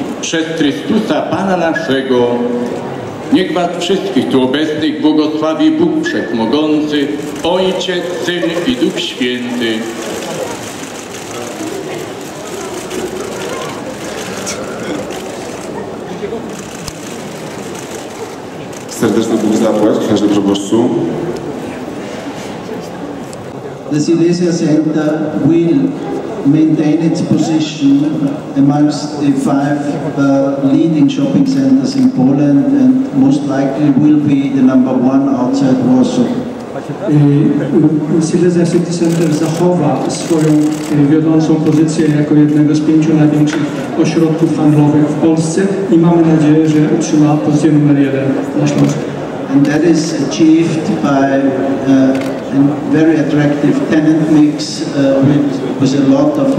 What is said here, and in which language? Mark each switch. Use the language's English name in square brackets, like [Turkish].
[Polish] Przez Chrystusa, Pana naszego, niech was wszystkich tu obecnych błogosławi Bóg Wszechmogący, Ojciec, Syn i Duch Święty. Serdeczny Bóg zapłać, księże proboszczu. [English] The Silesia Center will maintain its position amongst the five leading shopping centers in Poland and most likely will be the number one outside Warsaw. [Polish] Silesia City Center zachowa swoją wiodącą pozycję jako jednego z pięciu największych ośrodków handlowych w Polsce i mamy nadzieję, że utrzyma pozycję numer jeden na Śląsku. [English] And that is achieved by a very attractive tenant mix with a lot of